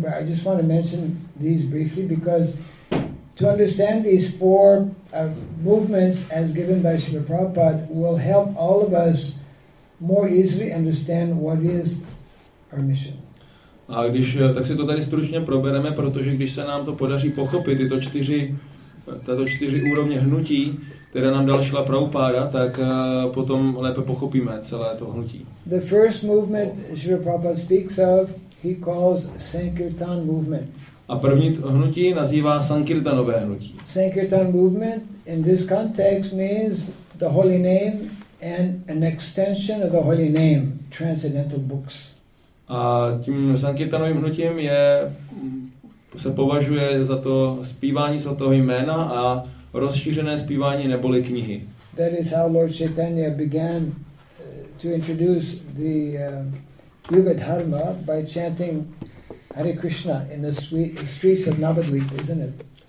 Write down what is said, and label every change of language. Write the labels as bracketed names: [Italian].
[English] But I just want to mention these briefly because to understand these four movements as given by Srila Prabhupada will help all of us more easily understand what is our mission. [Czech] A když tak si to tady stručně probereme, protože když se nám to podaří pochopit tyto tyto čtyři úrovně hnutí, které nám dal Srila Prabhupada, tak potom lépe pochopíme celé to hnutí. [English] The first movement Srila Prabhupada speaks of, he calls Sankirtan movement. [Czech] A první hnutí nazývá Sankirtanové hnutí. [English] Sankirtan movement in this context means the holy name and an extension of the holy name, transcendental books. [Czech] A tím Sankirtanovým hnutím je, se považuje za to zpívání svatého jména a rozšířené zpívání neboli knihy. [English] That is how Lord Chaitanya began to introduce the Yuga Dharma by chanting Hare Krishna in the streets of Navadvip, isn't it?